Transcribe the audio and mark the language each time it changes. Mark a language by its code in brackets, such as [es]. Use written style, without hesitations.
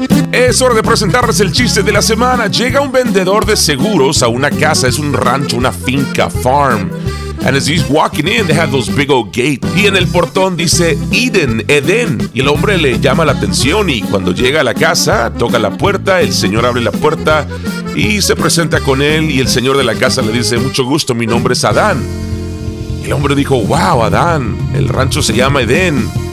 [es] Es hora de presentarles el chiste de la semana. Llega un vendedor de seguros a una casa, es un rancho, una finca, farm. [en] And as he's walking in, they have those big old gates. [es] Y en el portón dice, Eden, Edén. Y el hombre le llama la atención y cuando llega a la casa, toca la puerta, el señor abre la puerta y se presenta con él y el señor de la casa le dice, mucho gusto, mi nombre es Adán. El hombre dijo, wow, Adán, el rancho se llama Edén.